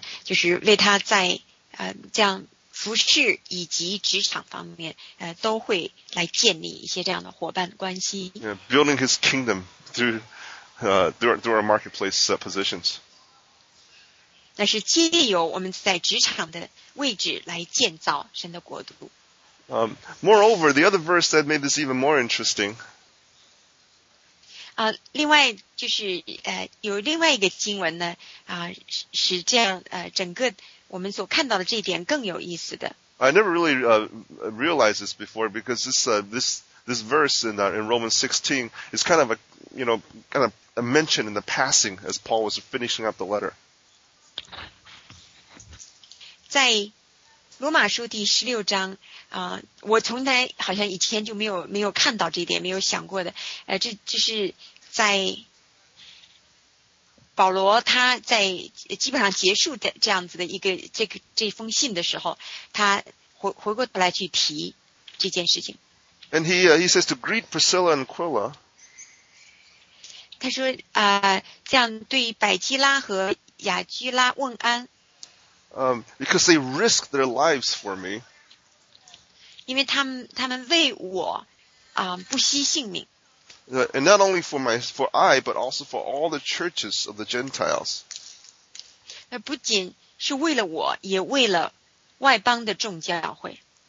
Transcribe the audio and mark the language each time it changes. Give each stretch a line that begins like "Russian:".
Chinese: 我想同样的道理，神在台湾也会像当年为保罗所做的，就是为他在这样。服饰以及职场方面，都会来建立一些这样的伙伴关系。
English: Yeah, building his kingdom through our marketplace positions.
Chinese: 那是借由我们在职场的位置来建造神的国度。
English: Moreover, the other verse that made this even more interesting.
Chinese: 另外就是有另外一个经文呢是这样整个我们所看到的这一点更有意思的。
English: I never really realized this before because this verse in Romans 16 is kind of a mention in the passing as Paul was finishing up the letter.
Chinese: 在罗马书第十六章我从来好像以前就没有看到这一点，没有想过的。这是在保罗他在基本上结束的这样子的一个这封信的时候，他回过头来去提这件事情。
English: And he says to greet Priscilla and Aquila.
Chinese: 他说这样对百基拉和雅居拉问安。
English: Because they risk their lives for me.
Chinese: 因为他们为我不惜性命。
English: And not only for I, but also for all the churches of the Gentiles.
Chinese: 不仅是为了我，也为了外邦的众教会。